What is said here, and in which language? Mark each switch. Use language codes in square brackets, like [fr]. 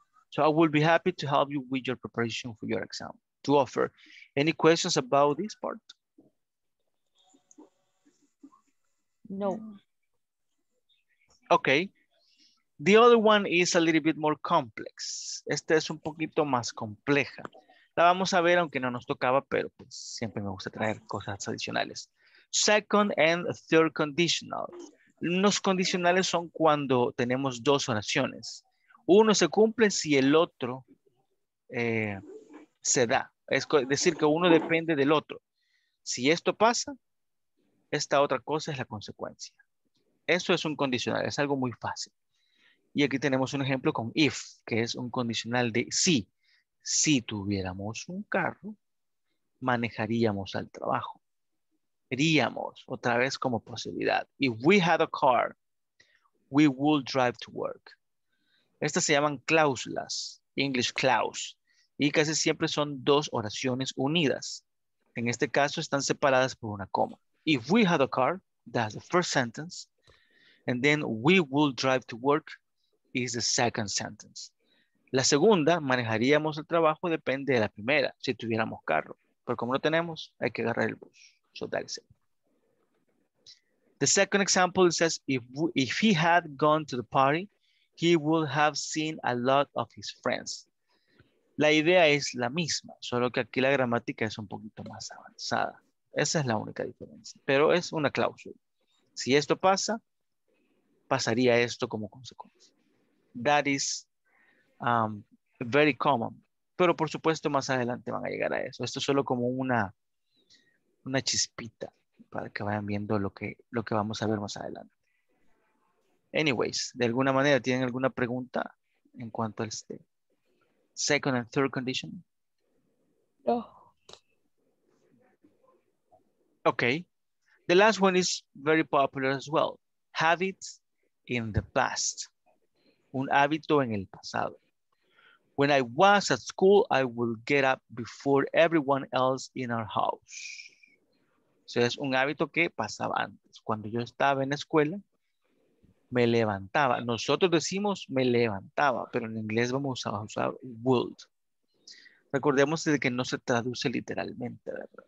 [en] So I will be happy to help you with your preparation for your exam, to offer. Any questions about this part? No. Okay. The other one is a little bit more complex. [es] Esta es un poquito más compleja. La vamos a ver aunque no nos tocaba, pero pues siempre me gusta traer cosas adicionales. [en] Second and third conditional. [es] Los condicionales son cuando tenemos dos oraciones. Uno se cumple si el otro se da. Es decir, que uno depende del otro. Si esto pasa, esta otra cosa es la consecuencia. Eso es un condicional, es algo muy fácil. Y aquí tenemos un ejemplo con if, que es un condicional de si. Si tuviéramos un carro, manejaríamos al trabajo. Iríamos, otra vez como posibilidad. [en] If we had a car, we would drive to work. [es] Estas se llaman cláusulas, English clause. Y casi siempre son dos oraciones unidas. En este caso están separadas por una coma. [en] If we had a car, that's the first sentence. And then we would drive to work. Is the second sentence. [es] La segunda, manejaríamos el trabajo, depende de la primera, si tuviéramos carro. Pero como no tenemos, hay que agarrar el bus. [en] So that is it. The second example says, if he had gone to the party, he would have seen a lot of his friends. [es] La idea es la misma, solo que aquí la gramática es un poquito más avanzada. Esa es la única diferencia, pero es una cláusula. Si esto pasa, pasaría esto como consecuencia. [en] That is very common. [es] Pero por supuesto, más adelante van a llegar a eso. Esto es solo como una chispita para que vayan viendo lo que vamos a ver más adelante. Anyways, de alguna manera, ¿tienen alguna pregunta en cuanto al este [en] second and third condition? No. Okay. The last one is very popular as well. Habits in the past. [es] Un hábito en el pasado. [en] When I was at school, I would get up before everyone else in our house. [es] O sea, es un hábito que pasaba antes. Cuando yo estaba en la escuela, me levantaba. Nosotros decimos me levantaba, pero en inglés vamos a usar would. Recordemos de que no se traduce literalmente, ¿verdad?